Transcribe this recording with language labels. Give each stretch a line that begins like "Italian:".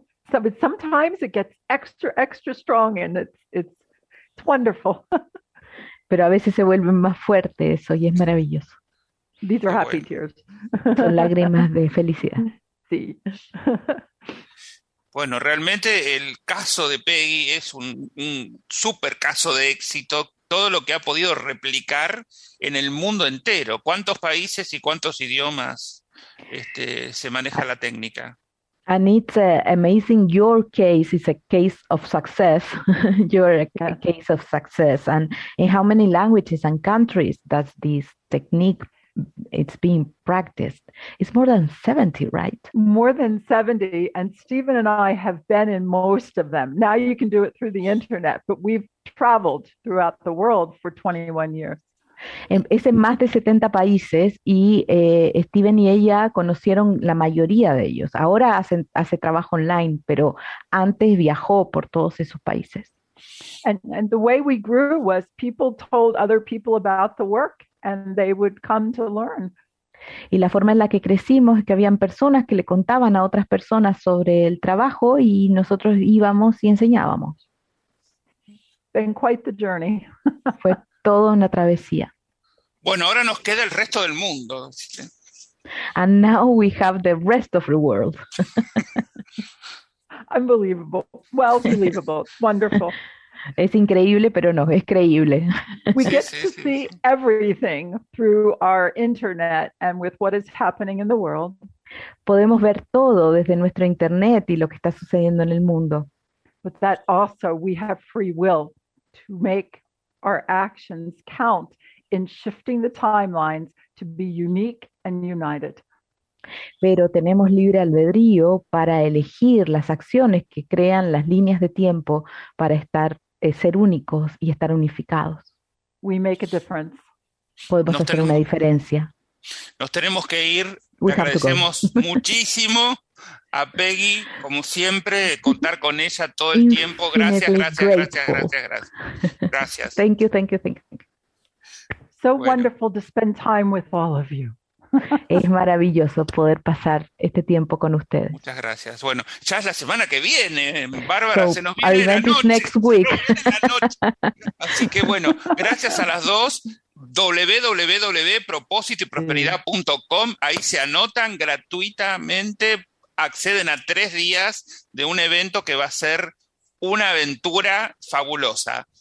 English: So, but sometimes it gets extra strong, and it's wonderful.
Spanish: Pero a veces se vuelve más fuerte eso y es maravilloso.
English: These are happy tears.
Spanish: Son lágrimas de felicidad. Sí. Bueno, realmente el caso de Peggy es un super caso de éxito, todo lo que ha podido replicar en el mundo entero. ¿Cuántos países y cuántos idiomas se maneja la técnica?
English: And it's amazing, your case is a case of success. You're a case of success. And in how many languages and countries does this technique, it's being practiced? It's more than 70, right? More than 70, and Stephen and I have been in most of them. Now you can do it through the internet, but we've traveled throughout the world for 21 years.
Spanish: Es en más de 70 países y Stephen y ella conocieron la mayoría de ellos. Ahora hace trabajo online, pero antes viajó por todos esos países.
English: And the way we grew was people told other people about the work. And they would come to learn.
Spanish: Y la forma en la que crecimos es que habían personas que le contaban a otras personas sobre el trabajo y nosotros íbamos y enseñábamos.
English: Been quite the journey.
Spanish: Fue toda una travesía. Bueno, ahora nos queda el resto del mundo.
English: And now we have the rest of the world. Unbelievable. Well, believable. Wonderful.
Spanish: Es increíble, pero no, es creíble.
English: We get to see everything through our internet and with what is happening in the world.
Spanish: Podemos ver todo desde nuestro internet y lo que está sucediendo en el mundo.
English: But that also we have free will to make our actions count in shifting the timelines to be unique and united.
Spanish: Pero tenemos libre albedrío para elegir las acciones que crean las líneas de tiempo para estar ser únicos y estar unificados.
English: We make a difference.
Spanish: Podemos nos hacer tenemos, una diferencia. Nos tenemos que ir. We Le agradecemos muchísimo a Peggy, como siempre, contar con ella todo el tiempo. Gracias, gracias, gracias, gracias, gracias, gracias.
English: Thank you, thank you, thank you.
Spanish: So bueno.
English: Wonderful to spend time with all of you.
Spanish: Es maravilloso poder pasar este tiempo con ustedes. Muchas gracias. Bueno, ya es la semana que viene, Bárbara, so, se nos viene la noche.
English: Next week.
Spanish: Así que bueno, gracias a las dos. www.propositoyprosperidad.com, ahí se anotan gratuitamente, acceden a 3 días de un evento que va a ser una aventura fabulosa.